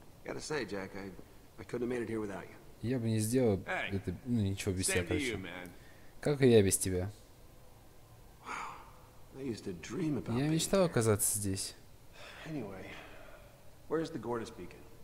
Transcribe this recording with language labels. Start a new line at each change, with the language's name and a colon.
English: Gotta say, Jack, I couldn't have made it here without you.
Russian: Я бы не сделал это, ну, ничего без тебя, короче. Как и я без тебя.
English: I used to dream about
Russian: я мечтал оказаться здесь.
English: Anyway, where's the Gortys beacon?